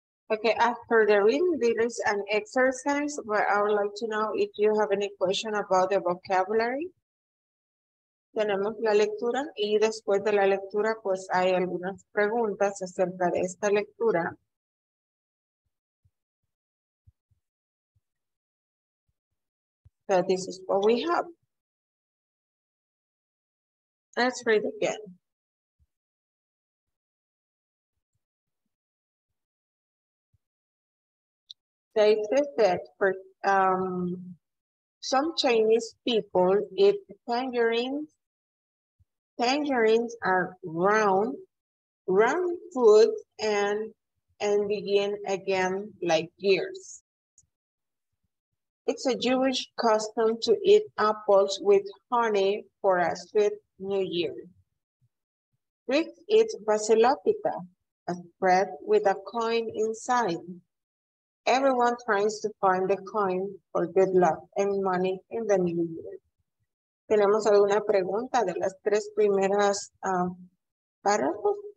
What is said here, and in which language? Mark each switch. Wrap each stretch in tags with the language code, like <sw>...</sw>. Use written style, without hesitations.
<en>Okay, after the reading, there is an exercise where I would like to know if you have any question about the vocabulary.</en> <es>Tenemos la lectura y después de la lectura, pues hay algunas preguntas acerca de esta lectura.</es> <en>So this is what we have. Let's read again. They said that for some Chinese people eat tangerines. Tangerines are round, round food and begin again like years. It's a Jewish custom to eat apples with honey for a sweet new year. Greeks eat vasilopita, a bread with a coin inside. Everyone tries to find the coin for good luck and money in the new year.</en> <es>¿Tenemos alguna pregunta de las tres primeras párrafos?</es>